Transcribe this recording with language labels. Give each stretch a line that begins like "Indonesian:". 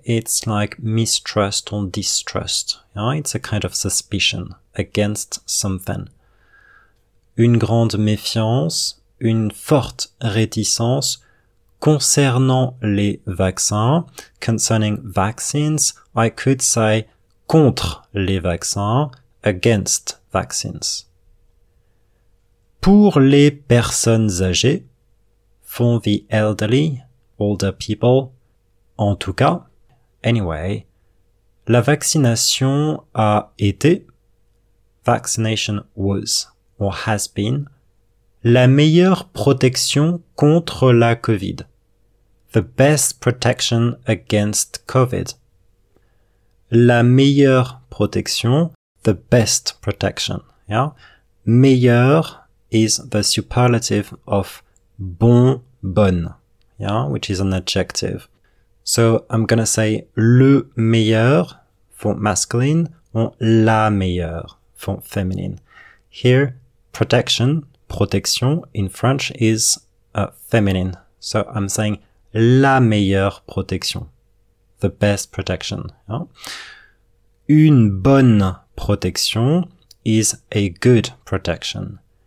English: It's like mistrust or distrust. Yeah? It's a kind of suspicion against something.
French: Une grande méfiance, une forte réticence concernant les vaccins,
English: concerning vaccines, I could say
French: contre les vaccins,
English: against vaccines.
French: Pour les personnes âgées,
English: for the elderly, older people,
French: en tout cas,
English: anyway,
French: la vaccination a été,
English: vaccination was or has been,
French: la meilleure protection contre la COVID,
English: the best protection against COVID.
French: La meilleure protection,
English: the best protection, yeah? Meilleure is the superlative of bon, bonne, yeah? Which is an adjective. So I'm gonna say le meilleur for masculine or la meilleure for feminine. Here, protection, protection in French is feminine. So I'm saying
French: la meilleure protection,
English: the best protection. Yeah?
French: Une bonne protection
English: is a good protection.